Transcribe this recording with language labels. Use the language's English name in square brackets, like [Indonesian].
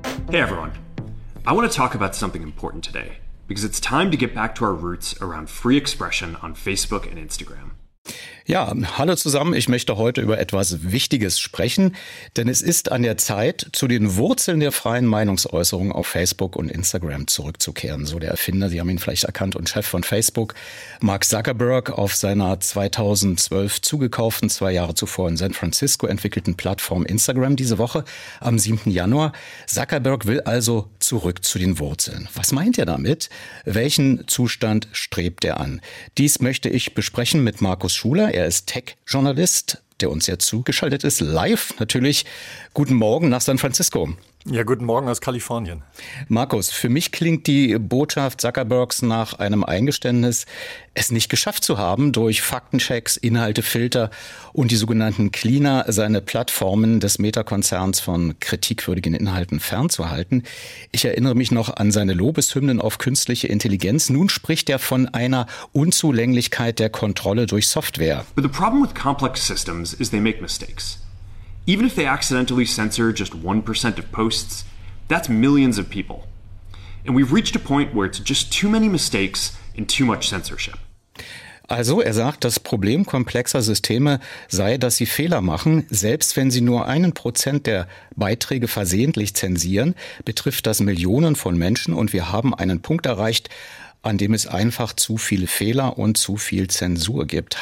[English] Hey everyone, I want to talk about something important today. Because it's time to get back to our roots around free expression on Facebook and Instagram. [German] Ja, hallo zusammen. Ich möchte heute über etwas Wichtiges sprechen, denn es ist an der Zeit, zu den Wurzeln der freien Meinungsäußerung auf Facebook und Instagram zurückzukehren. So der Erfinder, Sie haben ihn vielleicht erkannt, und Chef von Facebook, Mark Zuckerberg, auf seiner 2012 zugekauften, zwei Jahre zuvor in San Francisco entwickelten Plattform Instagram diese Woche am 7. Januar. Zuckerberg will also zurück zu den Wurzeln. Was meint er damit? Welchen Zustand strebt er an? Dies möchte ich besprechen mit Markus Schuler. Er ist Tech-Journalist, der uns jetzt zugeschaltet ist, live natürlich. Guten Morgen nach San Francisco. Ja, guten Morgen aus Kalifornien. Markus, für mich klingt die Botschaft Zuckerbergs nach einem Eingeständnis, es nicht geschafft zu haben, durch Faktenchecks, Inhaltefilter und die sogenannten Cleaner seine Plattformen des Meta-Konzerns von kritikwürdigen Inhalten fernzuhalten. Ich erinnere mich noch an seine Lobeshymnen auf künstliche Intelligenz. Nun spricht er von einer Unzulänglichkeit der Kontrolle durch Software. [English] But the problem with complex systems is they make mistakes. Even if they accidentally censor just 1% of posts, That's millions of people. And we've reached a point where it's just too many mistakes and too much censorship. [German] Also, er sagt, das Problem komplexer Systeme sei, dass sie Fehler machen. Selbst wenn sie nur 1% der Beiträge versehentlich zensieren, betrifft das Millionen von Menschen und wir haben einen Punkt erreicht, an dem es einfach zu viele Fehler und zu viel Zensur gibt.